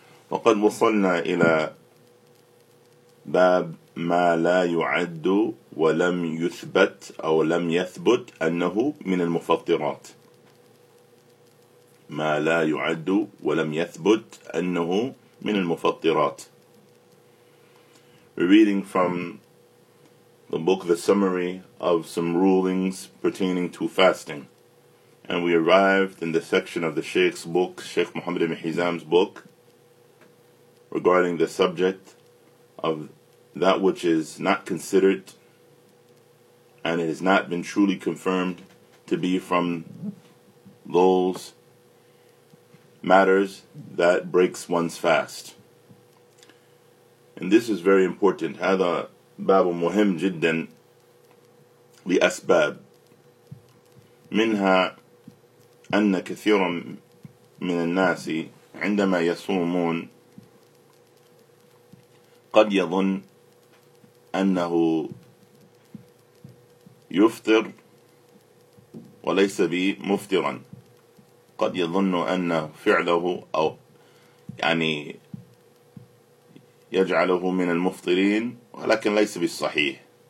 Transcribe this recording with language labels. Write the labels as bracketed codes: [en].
[ar] وقد وصلنا إلى باب ما لا يعد ولم يثبت أو لم يثبت أنه من المفطرات. ما لا يعد ولم يثبت أنه من المفطرات. [en] We're reading from the book, the summary of some rulings pertaining to fasting. And we arrived in the section of the Shaykh's book, Shaykh Muhammad ibn Hizam's book, regarding the subject of that which is not considered and it has not been truly confirmed to be from those matters that breaks one's fast. And this is very important. [ar] هذا باب مهم جدا لأسباب منها أن كثيرا من الناس عندما يصومون قد يظن أنه يفطر وليس بمفطرا، قد يظن أن فعله أو يعني يجعله من المفطرين ولكن ليس بالصحيح.